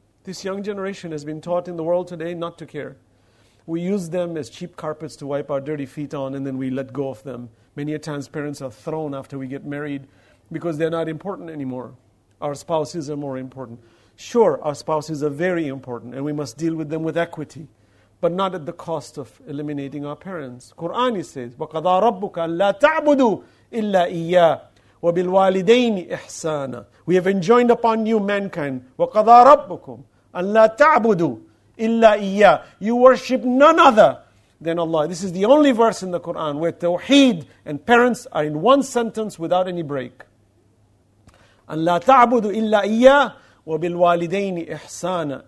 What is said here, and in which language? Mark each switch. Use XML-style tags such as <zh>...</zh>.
<en>This young generation has been taught in the world today not to care. We use them as cheap carpets to wipe our dirty feet on, and then we let go of them. Many a times parents are thrown after we get married because they're not important anymore. Our spouses are more important. Sure, our spouses are very important, and we must deal with them with equity, but not at the cost of eliminating our parents. Quran says,</en> <ar>وَقَضَى رَبُّكَ أَلَّا تَعْبُدُوا إِلَّا إِيَّا وَبِالْوَالِدَيْنِ إِحْسَانًا.</ar> <en>We have enjoined upon you, mankind,</en> <ar>وَقَضَى رَبُّكُمْ أَلَّا تَعْبُدُوا إِلَّا إِيَّا.</ar> <en>You worship none other than Allah. This is the only verse in the Quran where tawheed and parents are in one sentence without any break.</en> <ar>أَلَّا تَعْبُدُوا إِلَّا إِيَّا وَبِالْوَالِدَيْنِ إِحْسَانًا.</ar>